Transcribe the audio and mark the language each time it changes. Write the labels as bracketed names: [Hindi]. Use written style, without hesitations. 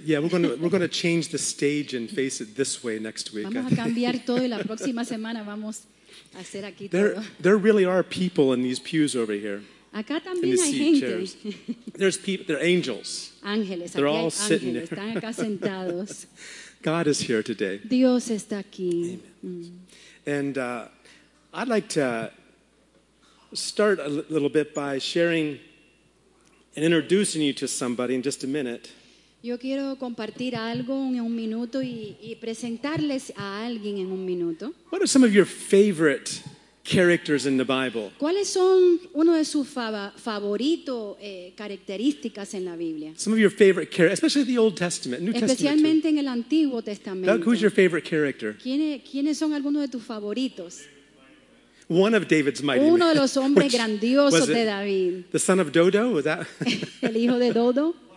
[English] Yeah, we're gonna change the stage and face it this way next week. [Spanish] Vamos a cambiar todo y la próxima semana vamos a hacer aquí todo. [English] There really are people in these pews over here. [Spanish] Acá también hay gente. Chairs. [English] There's people. They're angels. [Spanish] Ángeles. [English] They're [Spanish] aquí [English] all [Spanish] hay ángeles, [English] sitting there. [Spanish] Están acá sentados. [English] God is here today. [Spanish] Dios está aquí. [English] Amen. And I'd like to start a little bit by sharing and introducing you to somebody in just a minute. [Spanish] Yo quiero compartir algo en un minuto y presentarles a alguien en un minuto. [English] What are some of your favorite characters in the Bible? [Spanish] ¿Cuáles son uno de sus favoritos características en la Biblia? [English] Some of your favorite characters, especially the Old Testament, New Testament. [Spanish] Especialmente en el Antiguo Testamento. [English] Doug, who's your favorite character? [Spanish] ¿Quiénes son algunos de tus favoritos? [English] One of David's mighty men. [Spanish] Uno de los hombres grandiosos de David. [English] The son of Dodo, was that? [Spanish] El hijo de Dodo.